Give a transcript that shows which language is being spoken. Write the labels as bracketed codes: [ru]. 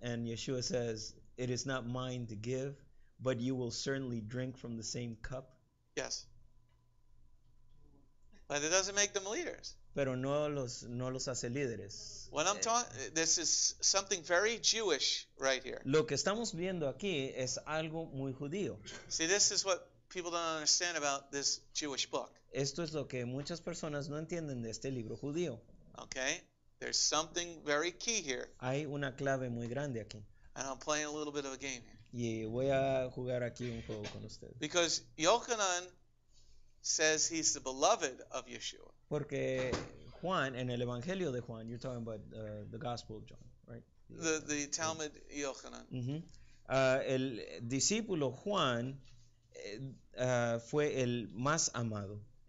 [en] And Yeshua says, it is not mine to give, but you will certainly drink from the same cup. Yes. But it doesn't make them leaders. [es] Pero no los hace líderes. [en] What I'm this is something very Jewish right here. [es] Lo que estamos viendo aquí es algo muy judío. [en] See, this is what people don't understand about this Jewish book. [es] Esto es lo que muchas personas no entienden de este libro judío. [en] Okay. There's something very key here. [es] Hay una clave muy grande aquí. [en] And I'm playing a little bit of a game here. [es] Y voy a jugar aquí un juego con ustedes. [en] Because Yochanan says he's the beloved of Yeshua. [es] Porque Juan, en el Evangelio de Juan, [en] you're talking about the Gospel of John, right? The Talmud Yochanan. [es] Mm-hmm. El discípulo Juan fue el más amado.